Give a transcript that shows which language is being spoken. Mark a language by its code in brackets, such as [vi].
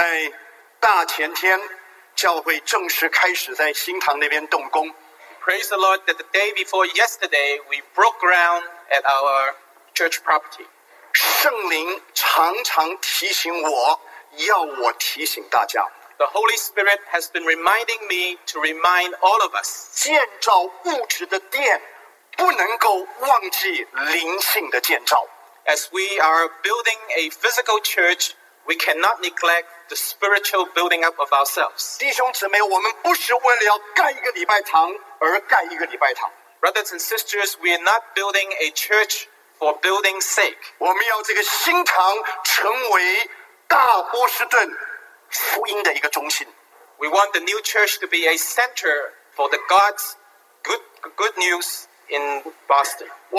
[zh] 感谢赞美主在大前天, 教会正式开始在新堂那边动工。 [en] Praise the Lord that the day before yesterday, we broke ground at our church property. [zh] 圣灵常常提醒我，要我提醒大家。 [en] The Holy Spirit has been reminding me to remind all of us. [zh] 建造物质的殿，不能够忘记灵性的建造。 [en] As we are building a physical church, we cannot neglect the spiritual building up of ourselves. [zh] 弟兄姊妹，我们不是为了要盖一个礼拜堂。 [en] Brothers and sisters, we are not building a church for building's sake. [zh] 我们要这个新堂成为大波士顿福音的一个中心。 [en] We want the new church to be a center for the God's good news in Boston.